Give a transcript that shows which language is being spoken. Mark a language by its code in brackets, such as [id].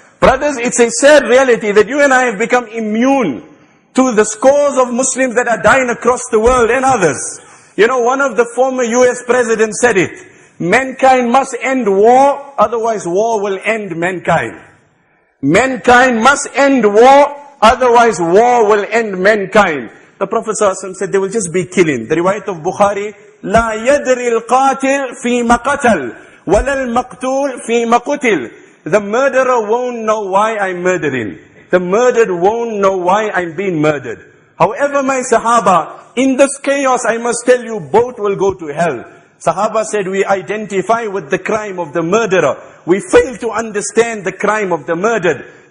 [en] Brothers, it's a sad reality that you and I have become immune to the scores of Muslims that are dying across the world and others. You know, one of the former US presidents said it, mankind must end war, otherwise war will end mankind. Mankind must end war, otherwise war will end mankind. The Prophet ﷺ said they will just be killing. The riwayat of Bukhari, [ar] لا يدري القاتل فيما قتل ولا المقتول فيما قتل. [en] The murderer won't know why I'm murdering. The murdered won't know why I'm being murdered. However, my Sahaba, in this chaos, I must tell you, both will go to hell. Sahaba said, we identify with the crime of the murderer. We fail to understand the crime of the murdered.